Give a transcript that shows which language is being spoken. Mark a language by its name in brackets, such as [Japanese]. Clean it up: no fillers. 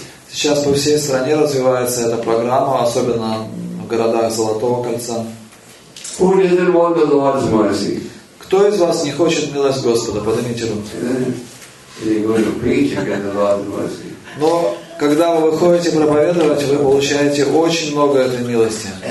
[Russian] Сейчас по всей стране развивается эта программа, особенно в городах Золотого кольца. [English] Who doesn't want the Lord's mercy? [Russian] Кто из вас не хочет милость Господа? Поднимите руку. [English] They go to preach and get the Lord's mercy. [Russian] Но когда вы выходите проповедовать, вы получаете очень много этой милости.